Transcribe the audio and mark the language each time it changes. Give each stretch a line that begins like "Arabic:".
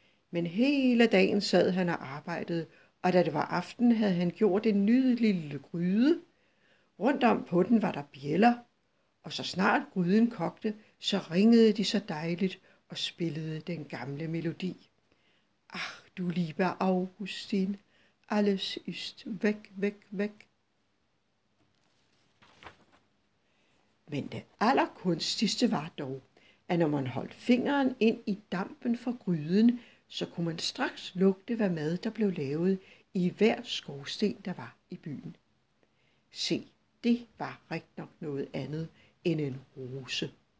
Danish: Men hele dagen sad han og arbejdede, og da det var aften, havde han gjort en nydelig lille gryde. Rundt om på den var der bjæller, og så snart gryden kogte, så ringede de så dejligt og spillede den gamle melodi.
German: Ach, du liebe Augustin, alles ist weg, weg, weg.
Danish: Men det allerkunstigste var dog, at når man holdt fingeren ind i dampen fra gryden, så kunne man straks lugte, hvad mad der blev lavet i hver skorsten, der var i byen. Se, det var rigtig nok noget andet end en rose.